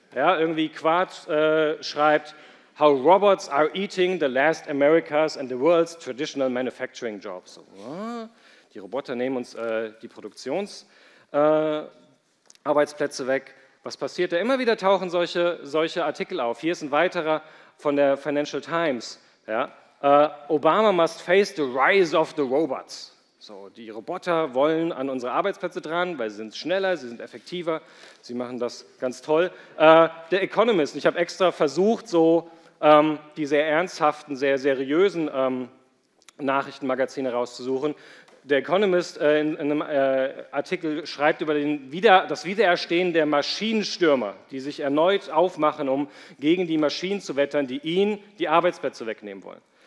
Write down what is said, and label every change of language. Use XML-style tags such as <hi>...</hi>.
<de>Ja, irgendwie Quartz schreibt,</de> <en>how robots are eating the last America's and the world's traditional manufacturing jobs.</en> <de>Die Roboter nehmen uns die Produktionsarbeitsplätze weg. Was passiert da? Immer wieder tauchen solche Artikel auf. Hier ist ein weiterer von der Financial Times. Ja?</de> <en>Obama must face the rise of the robots.</en> <de>So, die Roboter wollen an unsere Arbeitsplätze dran, weil sie sind schneller, sie sind effektiver, sie machen das ganz toll. Der Economist, ich habe extra versucht, so die sehr ernsthaften, sehr seriösen Nachrichtenmagazine rauszusuchen. Der Economist in einem Artikel schreibt über das Wiedererstehen der Maschinenstürmer, die sich erneut aufmachen, um gegen die Maschinen zu wettern, die ihnen die Arbeitsplätze wegnehmen wollen.</de>